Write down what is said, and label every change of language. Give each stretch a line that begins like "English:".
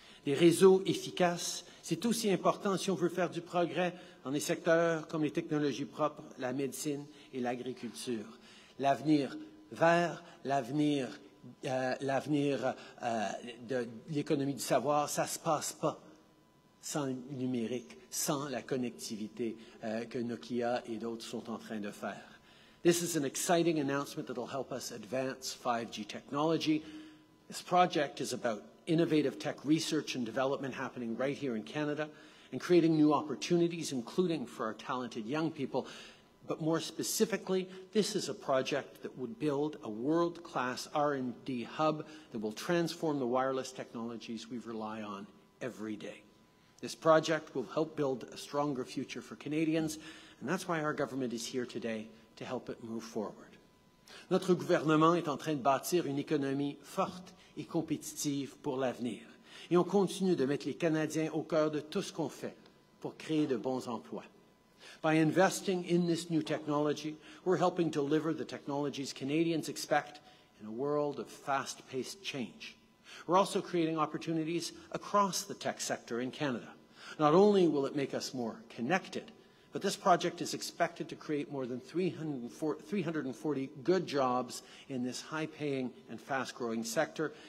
French: Des réseaux efficaces, c'est aussi important si on veut faire du progrès dans des secteurs comme les technologies propres, la médecine et l'agriculture. L'avenir vert, l'avenir de l'économie du savoir, ça se passe pas sans le numérique, sans la connectivité que Nokia et d'autres sont en train de faire.
English: This is an exciting announcement that will help us advance 5G technology. This project is about innovative tech research and development happening right here in Canada and creating new opportunities, including for our talented young people. But more specifically, this is a project that would build a world-class R&D hub that will transform the wireless technologies we rely on every day. This project will help build a stronger future for Canadians, and that's why our government is here today to help it move forward.
French: Notre gouvernement est en train de bâtir une économie forte et compétitive pour l'avenir. Et on continue de mettre les Canadiens au cœur de tout ce qu'on fait pour créer de bons emplois.
English: By investing in this new technology, we're helping deliver the technologies Canadians expect in a world of fast-paced change. We're also creating opportunities across the tech sector in Canada. Not only will it make us more connected, but this project is expected to create more than 340 good jobs in this high-paying and fast-growing sector.